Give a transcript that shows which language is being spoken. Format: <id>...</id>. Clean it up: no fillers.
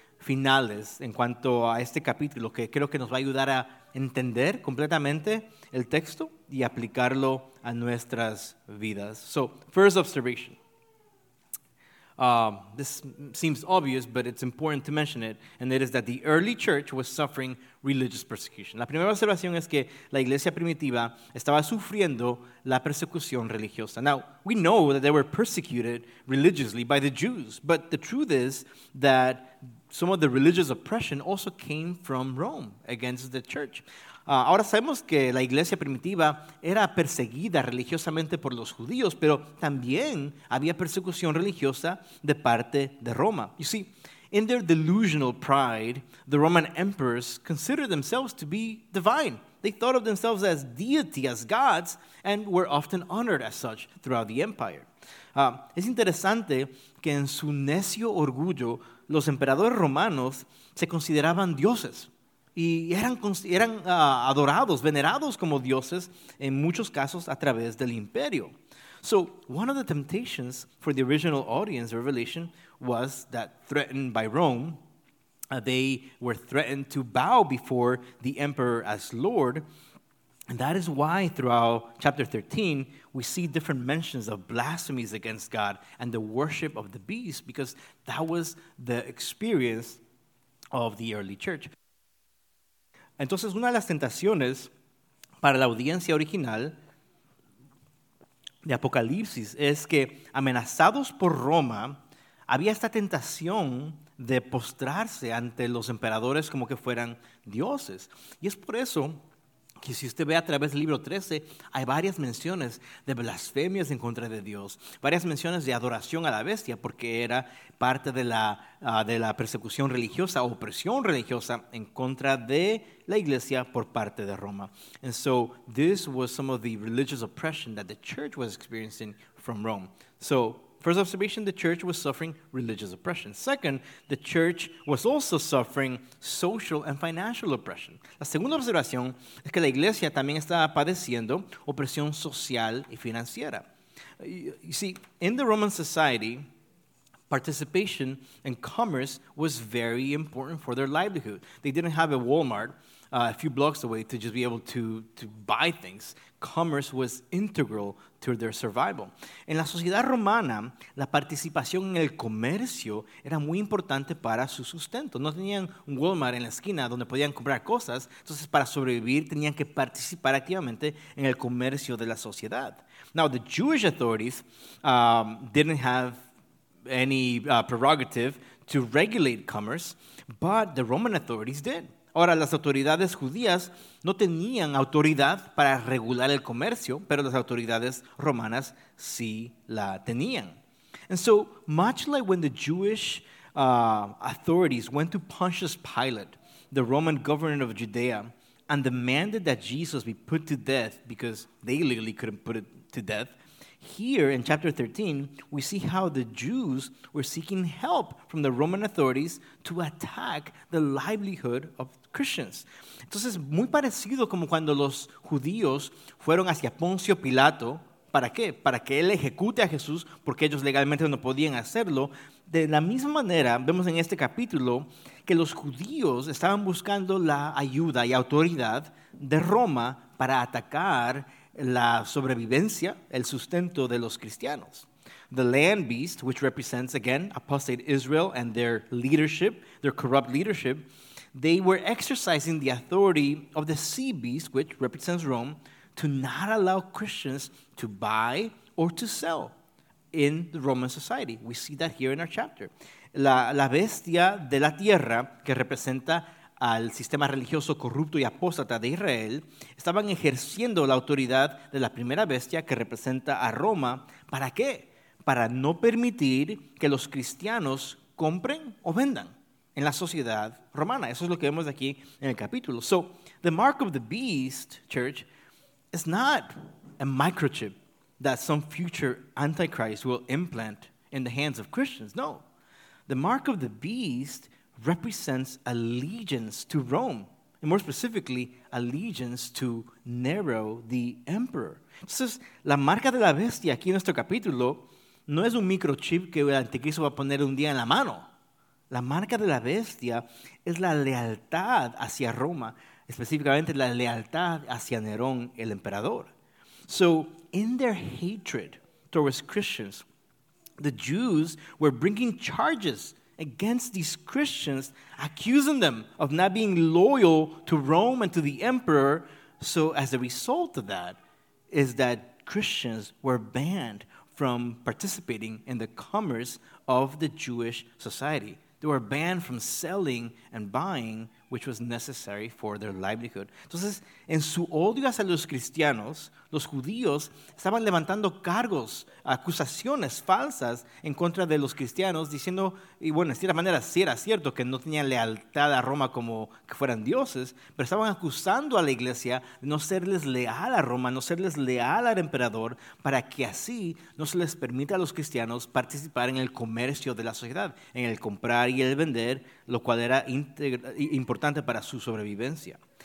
<es>finales en cuanto a este capítulo, que creo que nos va a ayudar a entender completamente el texto y aplicarlo a nuestras vidas.</es> <en>So, first observation. This seems obvious, but it's important to mention it, and it is that the early church was suffering religious persecution.</en> <es>La primera observación es que la iglesia primitiva estaba sufriendo la persecución religiosa.</es> <en>Now, we know that they were persecuted religiously by the Jews, but the truth is that some of the religious oppression also came from Rome against the church.</en> <es>Ahora sabemos que la iglesia primitiva era perseguida religiosamente por los judíos, pero también había persecución religiosa de parte de Roma.</es> <en>You see, in their delusional pride, the Roman emperors considered themselves to be divine. They thought of themselves as deity, as gods, and were often honored as such throughout the empire.</en> <es>Es interesante que en su necio orgullo, los emperadores romanos se consideraban dioses. Y eran adorados, venerados como dioses en muchos casos a través del imperio.</es> <en>So, one of the temptations for the original audience of Revelation was that threatened by Rome, they were threatened to bow before the emperor as Lord. And that is why throughout chapter 13, we see different mentions of blasphemies against God and the worship of the beast, because that was the experience of the early church.</en> <es>Entonces, una de las tentaciones para la audiencia original de Apocalipsis es que, amenazados por Roma, había esta tentación de postrarse ante los emperadores como que fueran dioses. Y es por eso que si usted ve a través del libro 13, hay varias menciones de blasfemias en contra de Dios, varias menciones de adoración a la bestia, porque era parte de la persecución religiosa, opresión religiosa en contra de la iglesia por parte de Roma.</es> <en>And so, this was some of the religious oppression that the church was experiencing from Rome. So, first observation, the church was suffering religious oppression. Second, the church was also suffering social and financial oppression.</en> <es>La segunda observación es que la iglesia también estaba padeciendo opresión social y financiera.</es> <en>You see, in the Roman society, participation and commerce was very important for their livelihood. They didn't have a Walmart a few blocks away to just be able to buy things. Commerce was integral to their survival.</en> <es>En la sociedad romana, la participación en el comercio era muy importante para su sustento. No tenían un Walmart en la esquina donde podían comprar cosas. Entonces, para sobrevivir, tenían que participar activamente en el comercio de la sociedad.</es> <en>Now, the Jewish authorities didn't have any prerogative to regulate commerce, but the Roman authorities did.</en> <es>Ahora, las autoridades judías no tenían autoridad para regular el comercio, pero las autoridades romanas sí la tenían.</es> <en>And so, much like when the Jewish authorities went to Pontius Pilate, the Roman governor of Judea, and demanded that Jesus be put to death because they legally couldn't put it to death, here in chapter 13, we see how the Jews were seeking help from the Roman authorities to attack the livelihood of Christians.</en> <es>Entonces, muy parecido como cuando los judíos fueron hacia Poncio Pilato, ¿para qué? Para que él ejecute a Jesús, porque ellos legalmente no podían hacerlo. De la misma manera, vemos en este capítulo que los judíos estaban buscando la ayuda y autoridad de Roma para atacar la sobrevivencia, el sustento de los cristianos.</es> <en>The land beast, which represents, again, apostate Israel and their leadership, their corrupt leadership, they were exercising the authority of the sea beast, which represents Rome, to not allow Christians to buy or to sell in the Roman society. We see that here in our chapter.</en> <es>La bestia de la tierra, que representa al sistema religioso corrupto y apóstata de Israel, estaban ejerciendo la autoridad de la primera bestia que representa a Roma. ¿Para qué? Para no permitir que los cristianos compren o vendan en la sociedad romana. Eso es lo que vemos aquí en el capítulo.</es> <en>So, the mark of the beast, church, is not a microchip that some future antichrist will implant in the hands of Christians. No. The mark of the beast represents allegiance to Rome, and more specifically, allegiance to Nero, the emperor.</en> <es>Entonces, la marca de la bestia aquí en nuestro capítulo no es un microchip que el anticristo va a poner un día en la mano. La marca de la bestia es la lealtad hacia Roma, específicamente la lealtad hacia Nerón, el emperador.</es> <en>So, in their hatred towards Christians, the Jews were bringing charges against these Christians, accusing them of not being loyal to Rome and to the emperor. So, as a result of that, is that Christians were banned from participating in the commerce of the Jewish society. They were banned from selling and buying, which was necessary for their livelihood.</en> <es>Entonces, en su odio hacia los cristianos, los judíos estaban levantando cargos, acusaciones falsas en contra de los cristianos, diciendo, y bueno, de cierta manera sí era cierto que no tenían lealtad a Roma como que fueran dioses, pero estaban acusando a la iglesia de no serles leal a Roma, no serles leal al emperador, para que así no se les permita a los cristianos participar en el comercio de la sociedad, en el comprar y el vender, lo cual era importante para su sobrevivencia.</es>